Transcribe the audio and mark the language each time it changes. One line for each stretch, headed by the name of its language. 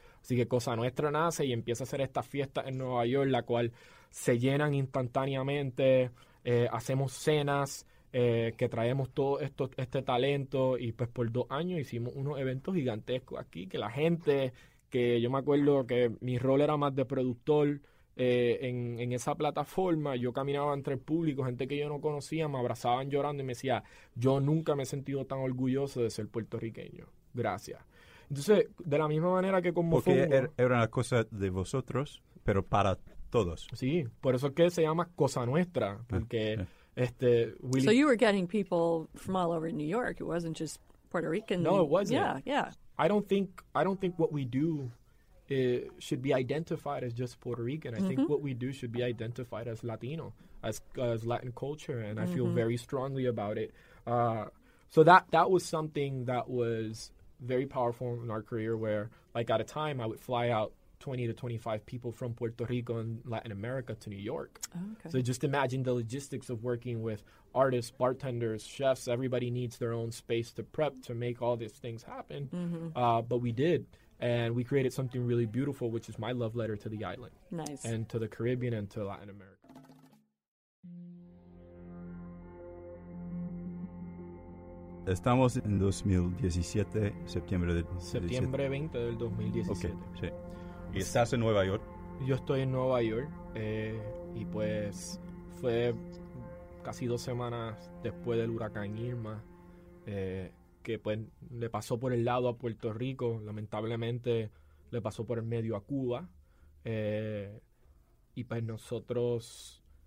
Spanish: Así que Cosa Nuestra nace y empieza a hacer esta fiesta en Nueva York, la cual se llenan instantáneamente, hacemos cenas, que traemos todo esto, este talento, y pues por 2 años hicimos unos eventos gigantescos aquí, que la gente, que yo me acuerdo que mi rol era más de productor, en esa plataforma, yo caminaba entre el público, gente que yo no conocía, me abrazaban llorando y me decía, yo nunca me he sentido tan orgulloso de ser puertorriqueño. Gracias. Entonces, de la misma manera que como porque era una cosa de vosotros, pero para todos. Sí, por eso es que se llama Cosa Nuestra, porque
English: Willy... So you were getting people from all over New York. It wasn't just Puerto Rican. No, it wasn't. Yeah, yeah. I don't think what we do should be identified as just Puerto Rican. I think what we do should be identified as Latino, as Latin culture, and I feel very strongly about it. So that was something that was very powerful in our career, where, like, at a time, I would fly out 20 to 25 people from Puerto Rico and Latin America to New York. Okay. So just imagine the logistics of working with artists, bartenders, chefs. Everybody needs their own space to prep to make all these things happen. Mm-hmm. But we did. And we created something really beautiful, which is my love letter to the island. Nice. And to the Caribbean and to Latin America.
Spanish: Estamos en 2017, septiembre del 2017. Septiembre 20 del 2017. Okay. Sí. ¿Y estás en Nueva York? Yo estoy en Nueva York, y pues fue casi 2 semanas después del huracán Irma, que pues le pasó por el lado a Puerto Rico, lamentablemente le pasó por el medio a Cuba, y pues nosotros